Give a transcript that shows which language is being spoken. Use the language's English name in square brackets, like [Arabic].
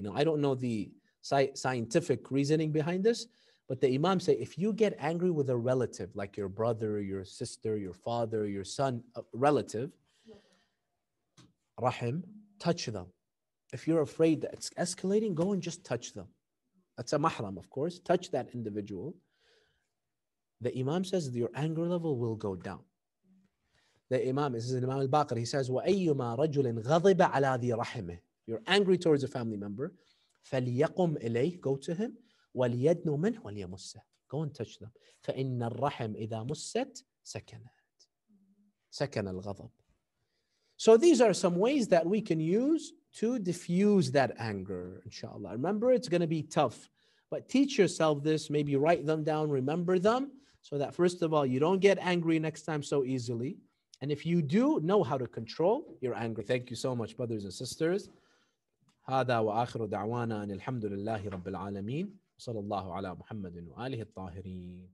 [English] Now, I don't know the scientific reasoning behind this, but the imams say, if you get angry with a relative, like your brother, your sister, your father, your son, a relative, rahim, touch them. If you're afraid that it's escalating, go and just touch them. That's a mahram, of course. Touch that individual. The imam says your anger level will go down. Imam al-Baqir, he says, [Arabic] وَأَيُّمَا رَجُلٍ غَضِبَ عَلَىٰ ذِي رَحِمِهِ. [English] You're angry towards a family member. [Arabic] فَلْيَقُمْ إِلَيْهِ. [English] Go to him. [Arabic] وَلْيَدْنُ مِنْهُ وَلْيَمُسَّهِ. [English] Go and touch them. [Arabic] فَإِنَّ الرَّحِمِ إِذَا مُسَّتْ سَكَنَتْ. سَكَنَ الْغَضَبِ. [English] So these are some ways that we can use to diffuse that anger, inshallah. Remember, it's going to be tough. But teach yourself this. Maybe write them down, remember them, so that first of all, you don't get angry next time so easily. And if you do, know how to control your anger. Thank you so much, brothers and sisters. [Arabic] هذا وآخر دعوانا أن الحمد لله رب العالمين صلى الله على محمد وآله الطاهرين.